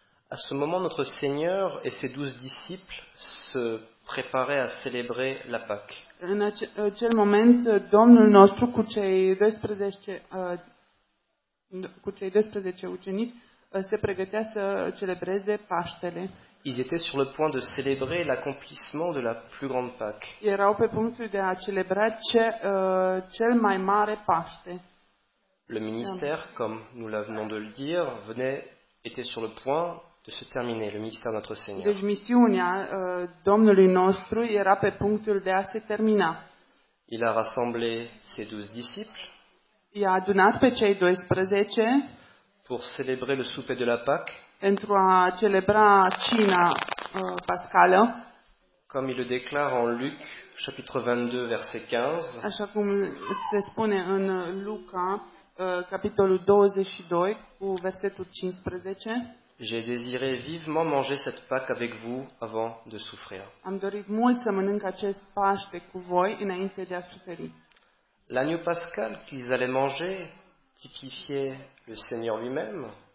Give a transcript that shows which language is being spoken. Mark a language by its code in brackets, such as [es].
[fr] À ce moment, notre Seigneur et ses 12 disciples se préparaient à célébrer la Pâque. [ro] În acel moment, Domnul nostru cu cei 12 ucenici se pregătea să celebreze Paștele. [fr] Ils étaient sur le point de célébrer l'accomplissement de la plus grande Pâque. [ro] Erau pe punctul de a celebra cel mai mare Paște. [fr] Le ministère, comme nous venons de le dire, était sur le point de se terminer, le ministère de notre Seigneur. [ro] Deci misiunea Domnului nostru era pe punctul de a se termina. [fr] Il a rassemblé ses 12 disciples. [ro] I-a adunat pe cei 12. [fr] Pour célébrer le souper de la Pâque. [ro] Pentru a celebra cina pascală. [fr] Comme il le déclare en Luc chapitre 22 verset 15. [ro] Așa cum se spune în Luca capitolul 22 cu versetul 15. [fr] J'ai désiré vivement manger cette Pâque avec vous avant de souffrir. [ro] Am dorit mult să mănânc acest Paște cu voi înainte de a suferi. [fr] L'agneau pascal qu'ils allaient manger typifiait le Seigneur lui-même.